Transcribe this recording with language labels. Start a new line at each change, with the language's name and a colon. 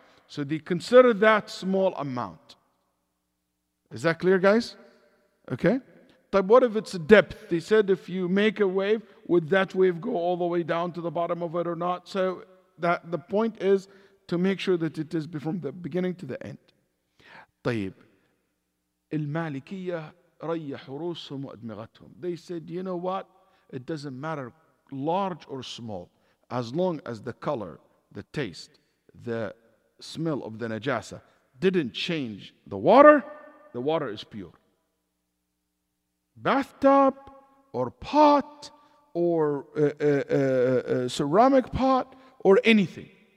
English: So they consider that small amount. Is that clear, guys? Okay. But what if it's depth? They said if you make a wave, would that wave go all the way down to the bottom of it or not? So that the point is to make sure that it is from the beginning to the end.
Arabic: طيب المالكية ريح روسهم وأدمغتهم.
English: They said, you know what? It doesn't matter large or small, as long as the color, the taste, the smell of the najasa didn't change the water is pure. Bathtub or pot or ceramic pot or anything.